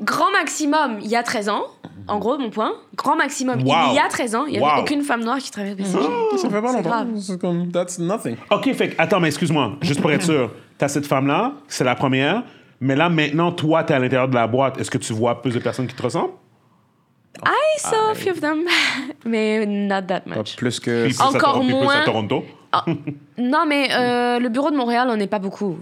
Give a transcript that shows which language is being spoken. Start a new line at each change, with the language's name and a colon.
French: Grand maximum, il y a 13 ans. En gros, mon point. Grand maximum, wow. Il y a 13 ans, il n'y avait aucune femme noire qui travaillait au BCG. Ça fait pas longtemps. C'est grave.
English: That's nothing.
French: OK, fait attends, mais excuse-moi, juste pour être sûr. Tu as cette femme-là, c'est la première. Mais là, maintenant, toi, tu es à l'intérieur de la boîte. Est-ce que tu vois plus de personnes qui te ressemblent?
English: I saw a few of them, mais not that much.
French: Pas plus que... Encore plus moins. Plus à Toronto. Non, mais le bureau de Montréal, on n'est pas beaucoup.